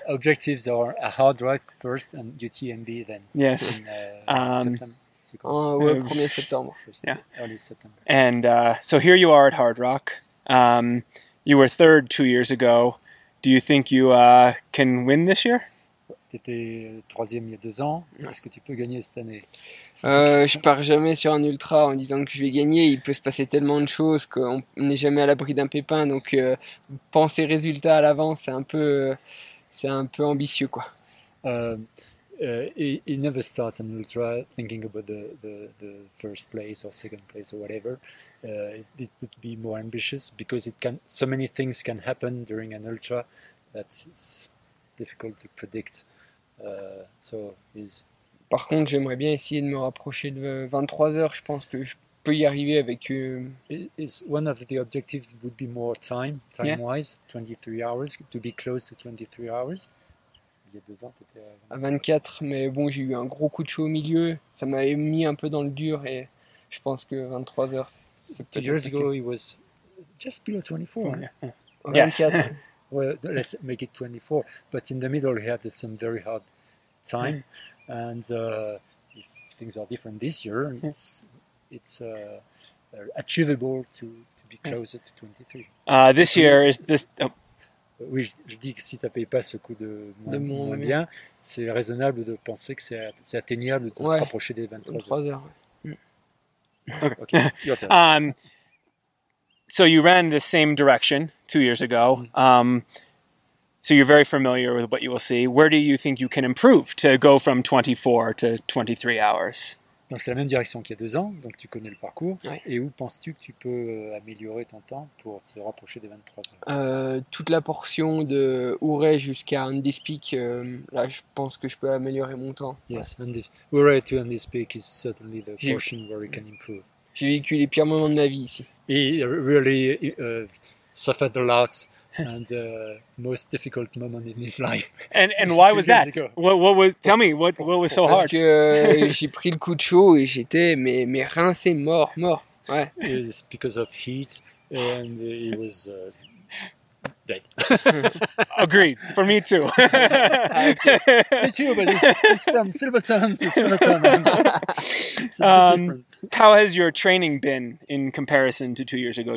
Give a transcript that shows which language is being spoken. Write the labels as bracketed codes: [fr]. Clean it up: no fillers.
[en] Objectives are a Hard Rock first and UTMB then. Yes. [fr] Premier septembre. [en] Yeah. Early September. And so here you are at Hard Rock. You were third 2 years ago. Do you think you can win this year? [fr] Tu étais troisième il y a 2 ans. Est-ce que tu peux gagner cette année? Je pars jamais sur un ultra en disant que je vais gagner. Il peut se passer tellement de choses qu'on n'est jamais à l'abri d'un pépin. Donc penser résultat à l'avance, c'est un peu ambitieux, quoi. [en] He never starts an ultra thinking about the first place or second place or whatever. It would be more ambitious because so many things can happen during an ultra that it's difficult to predict. [fr] Par contre, j'aimerais bien essayer de me rapprocher de 23 heures. Je pense que je peux y arriver avec. [en] Is one of the objectives would be more time yeah. wise, 23 hours, to be close to 23 hours. [fr] Il y a 2 ans, tu étais à 24, mais bon, j'ai eu un gros coup de chaud au milieu. Ça m'avait mis un peu dans le dur et je pense que 23 heures, c'est peut-être. [en] 2 years ago, it was just below 24. Yeah. 24. Well, let's make it 24. But in the middle, he had some very hard time. Yeah. And if things are different this year, it's achievable to be closer to 23. This year is this. Oh. [fr] Oui, je dis que si tu n'avais pas ce coup de moins bien, c'est raisonnable de penser que c'est atteignable de se rapprocher des 23 heures. [en] Okay, your turn. So you ran the same direction 2 years ago. So you're very familiar with what you will see. Where do you think you can improve to go from 24 to 23 hours? [fr] Donc c'est la même direction qu'il y a 2 ans, donc tu connais le parcours. Ouais. Et où penses-tu que tu peux améliorer ton temps pour te rapprocher des 23 heures? Toute la portion de Ouray jusqu'à Andes Peak, là je pense que je peux améliorer mon temps. [en] Yes, Ouray to Andes Peak is certainly the portion where you can improve. [fr] J'ai vécu les pires moments de ma vie ici. [en] He really suffered a lot. And the most difficult moment in his life. And why was that? What was? Tell me what was so hard? [fr] Parce que j'ai pris le coup de chaud et j'étais mes reins c'est mort. Ouais. [en] It's because of heat and he was dead. Agreed. For me too. Okay. Me too, but it's from Silverton. It's from Silverton. How has your training been in comparison to 2 years ago?